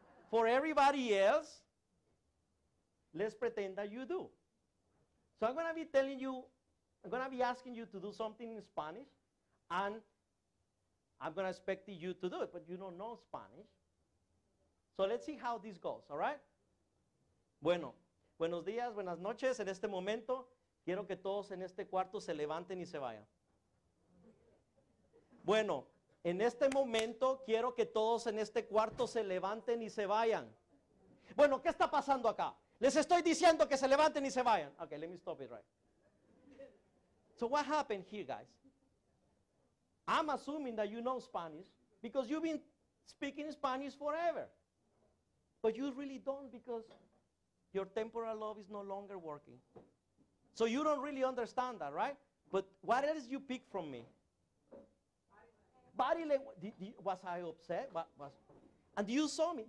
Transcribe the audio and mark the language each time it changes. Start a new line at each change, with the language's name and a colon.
English: For everybody else, let's pretend that you do. So I'm going to be telling you, I'm going to be asking you to do something in Spanish, and I'm going to expect you to do it, but you don't know Spanish. So let's see how this goes, all right?
Spanish: Bueno, buenos días, buenas noches. En este momento, quiero que todos en este cuarto se levanten y se vayan. Bueno, en este momento, quiero que todos en este cuarto se levanten y se vayan. Bueno, ¿qué está pasando acá? Les estoy diciendo que se levanten y se vayan.
English: Okay, let me stop it right. So what happened here, guys? I'm assuming that you know Spanish because you've been speaking Spanish forever. But you really don't because your temporal lobe is no longer working. So you don't really understand that, right? But what else you pick from me? Body language. Was I upset? And you saw me.